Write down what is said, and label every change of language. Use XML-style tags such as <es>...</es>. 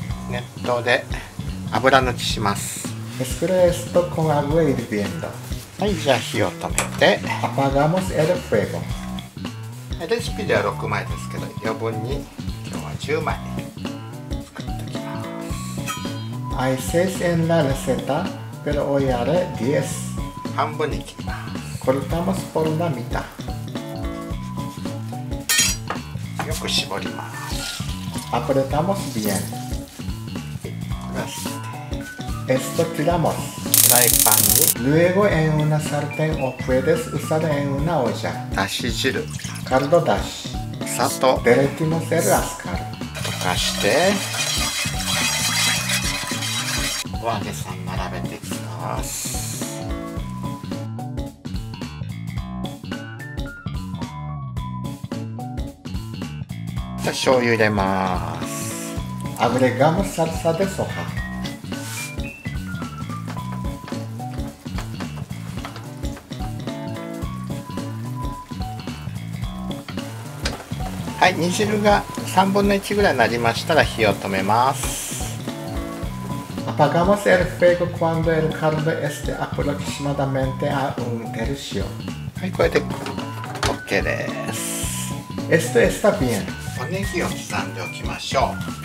<ja>熱湯で油抜きします。エスプレスとコンアグエイリビエンド。はい、じゃあ火を止めて。</ja> <es>Apagamos el fuego。</es> <ja>レシピでは6枚ですけど、余分に今日は10枚作っておきます。</ja> <es>Hay 6 en la receta, pero hoy haré 10.</es> <ja>半分に切ります。</ja> <es>Cortamos por la mitad。</es> <ja>よく絞ります。</ja> <es>Apretamos bien。 Esto tiramos.</es> <ja>フライパンに。</ja> <es>Luego en una sartén o puedes usar en una olla。</es> <ja>だし汁。</ja> <es>Caldo dashi。</es> <ja>砂糖。</ja> <es>Derretimos el azúcar。</es> <ja>溶かして。お揚げさん並べていきます。じゃあ醤油入れます。</ja> <es>Agregamos salsa de soja。</es> <ja>はい、煮汁が3分の1ぐらいになりましたら火を止めます。</ja> <es>Apagamos el fuego cuando el caldo esté aproximadamente a un tercio。</es> <ja>はい、これで OK です。</ja> <es>Esto está bien。</es> <ja>おネギを刻んでおきましょう。</ja>